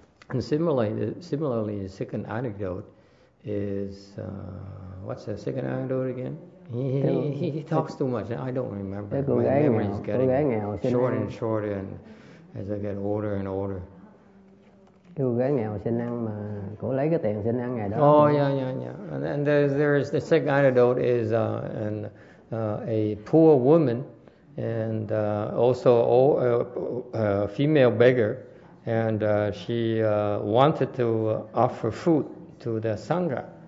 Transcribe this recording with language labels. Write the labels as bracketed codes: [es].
[en] And similarly, the second anecdote is what's the second anecdote again? He talks too much. I don't remember. My memory is getting shorter and shorter, and as I get older and older. [vi] Cô gái nghèo xin ăn mà cổ lấy cái tiền xin ăn ngày đó. [en] Oh yeah, yeah, yeah. And there's the second anecdote is a poor woman, and also a female beggar, and she wanted to offer food to the sangha.